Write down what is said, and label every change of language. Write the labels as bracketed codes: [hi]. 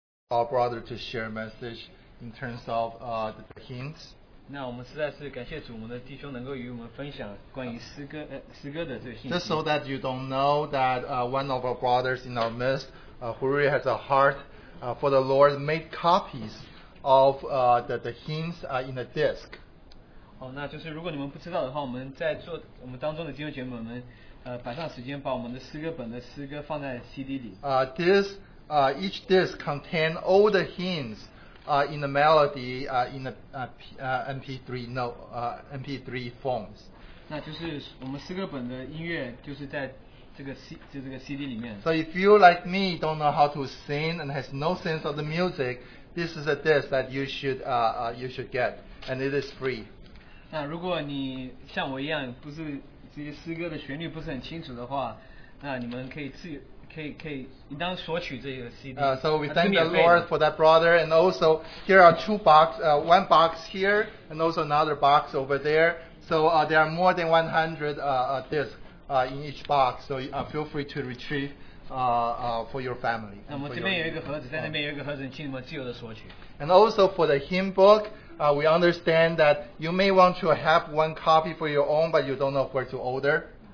[en] Our brother to share a message in terms of the hymns. [zh] 那我们实在是感谢主，我们的弟兄能够与我们分享关于诗歌的这个信息。 [en] Just so that you don't know that one of our brothers in our midst, who really has a heart for the Lord, made copies of the hymns in a disc. [zh] 哦，那就是如果你们不知道的话，我们在座我们当中的弟兄姐妹们，晚上时间把我们的诗歌本的诗歌放在CD里。 [en] Each disc contain all the hymns in the melody in the MP3 forms. [zh] 那就是我们诗歌本的音乐就是在 [en] So if you like me don't know how to sing and has no sense of the music, this is a disc that you should get, and it is free. [zh] 那如果你像我一样不是这些诗歌的旋律不是很清楚的话，那你们可以自可以可以应当索取这个CD。So [en] we thank the Lord for that brother, and also here are two box, one box here, and also another box over there. So there are more than 100 discs in each box. So feel free to retrieve for your family. [zh] 那我们这边有一个盒子，在那边有一个盒子，你尽你们自由的索取。 [en] And also for the hymn book. We understand that you may want to have one copy for your own, but you don't know where to order.